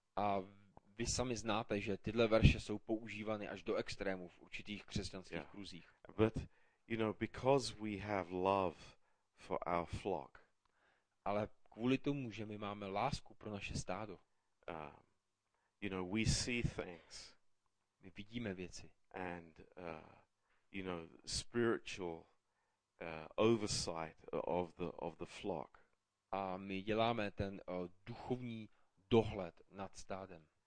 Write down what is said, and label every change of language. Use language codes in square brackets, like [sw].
[cs] A vy sami znáte, že tyhle verše jsou používány až do extrému v určitých křesťanských kruzích. [en] But you know, because we have love for our flock. [cs] Ale kvůli tomu, že my máme lásku pro naše stádo. [en] You know, we see things. [cs] My vidíme věci. [en] And you know, spiritual oversight of the flock. [cs] A my děláme ten duchovní dohled nad stádem.